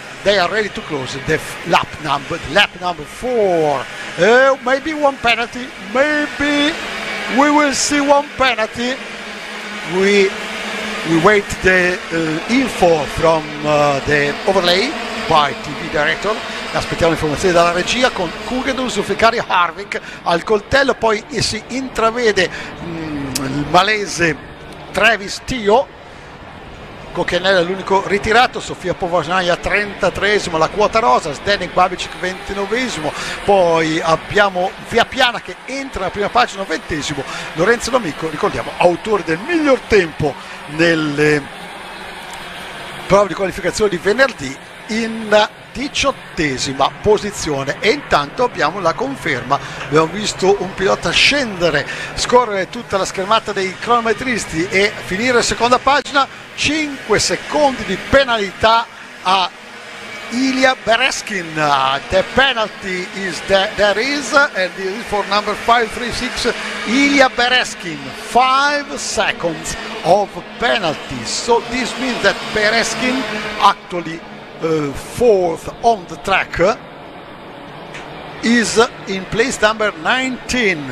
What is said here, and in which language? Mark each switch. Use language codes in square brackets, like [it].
[en] They are ready to close the lap number 4. Maybe one penalty. Maybe we will see one penalty. We wait the info from the overlay by TV director. [it] Aspettiamo informazioni dalla regia con Hugendorf, Zulfikari, Harvick al coltello. Poi si intravede il malese Travis Tio. Cocchianella l'unico ritirato, Sofia Povasnaia 33esimo, la quota rosa, Zdenek Babicic 29esimo, poi abbiamo Via Piana che entra nella prima pagina 20esimo, Lorenzo D'Amico, ricordiamo, autore del miglior tempo nelle prove di qualificazione di venerdì in 18esima posizione. E intanto abbiamo la conferma, abbiamo visto un pilota scendere, scorrere tutta la schermata dei cronometristi e finire seconda pagina, 5 secondi di penalità a Ilya Bereskin. [en] The penalty is there is and it is for number 536 Ilya Bereskin, 5 seconds of penalty, so this means that Bereskin actually fourth on the track is in place number 19.